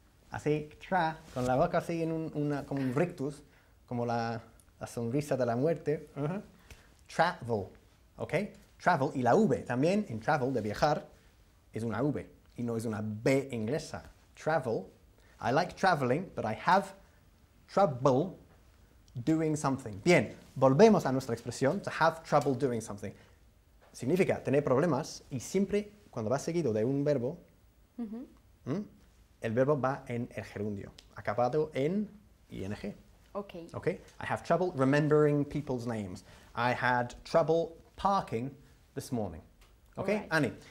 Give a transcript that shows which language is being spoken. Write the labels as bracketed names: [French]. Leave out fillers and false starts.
[Spanish] Así, tra, con la boca así en como un rictus, como la sonrisa de la muerte. Uh-huh. Travel, ¿ok? Travel y la V también, en travel, de viajar, es una V y no es una B inglesa. [English] Travel, I like traveling, but I have trouble doing something. [Spanish] Bien, volvemos a nuestra expresión, [English] to have trouble doing something. [Spanish] Significa tener problemas y siempre cuando va seguido de un verbo, uh-huh. El verbo va en el gerundio, acabado en ing. [English] Okay. Okay. I have trouble remembering people's names. I had trouble parking this morning. Okay, right.